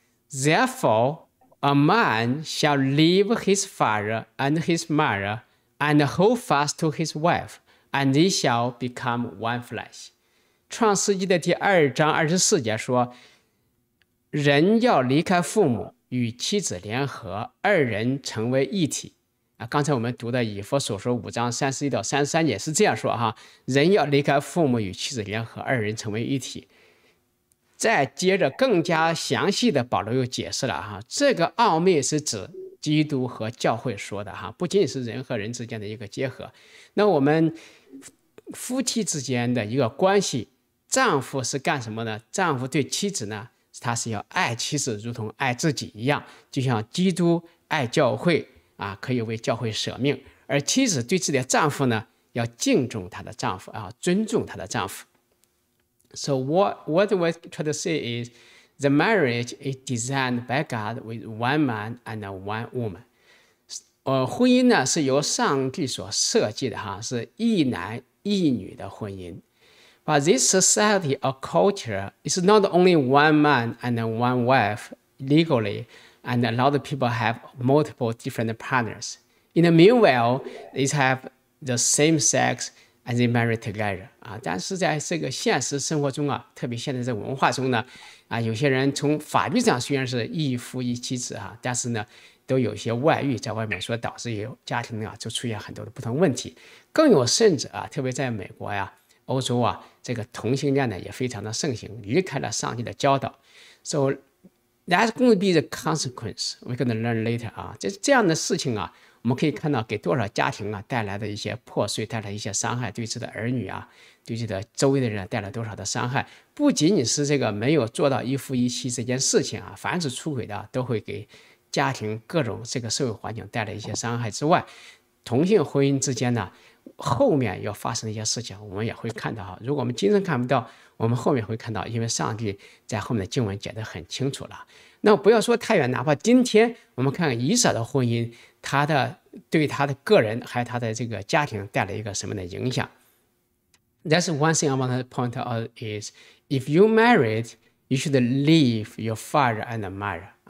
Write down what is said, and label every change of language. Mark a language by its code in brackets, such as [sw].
[en] Therefore, a man shall leave his father and his mother and hold fast to his wife, and they shall become one flesh. [zh] 创世纪的第二章二十四节说，人要离开父母，与妻子联合，二人成为一体。啊，刚才我们读的以弗所说五章三十一到三十三节是这样说哈，人要离开父母与妻子联合，二人成为一体。再接着更加详细的保罗又解释了哈，这个奥秘是指基督和教会说的哈，不仅是人和人之间的一个结合。那我们夫妻之间的一个关系，丈夫是干什么呢？丈夫对妻子呢，他是要爱妻子如同爱自己一样，就像基督爱教会啊，可以为教会舍命。而妻子对自己的丈夫呢，要敬重她的丈夫啊，尊重她的丈夫。 [en] So what we try to say is, the marriage is designed by God with one man and one woman. [zh] 婚姻呢是由上帝所设计的哈，是一男一女的婚姻。 [en] But this society or culture is not only one man and one wife legally, and a lot of people have multiple different partners. In the meanwhile, they have the same sex and they marry together. [zh] 但是在这个现实生活中啊，特别现在这文化中呢，有些人从法律上虽然是一夫一妻制啊，但是呢，都有些外遇在外面，所导致有家庭啊就出现很多的不同问题。更有甚者啊，特别在美国呀、欧洲啊，这个同性恋呢也非常的盛行，离开了上帝的教导。 [en] So that's going to be the consequence. We're going to learn later. [zh] 这样的事情啊，我们可以看到给多少家庭啊带来的一些破碎，带来一些伤害，对自己的儿女啊，对自己的周围的人带来多少的伤害。不仅仅是这个没有做到一夫一妻这件事情啊，凡是出轨的都会给家庭各种这个社会环境带来一些伤害之外，同性婚姻之间呢，后面要发生的一些事情我们也会看到。如果我们今天看不到，我们后面会看到，因为上帝在后面的经文解得很清楚了。那不要说太远，哪怕今天我们看以扫的婚姻，他的对他的个人还有他的这个家庭带来一个什么的影响。 [en] That's one thing I want to point out is if you married, you should leave your father and mother.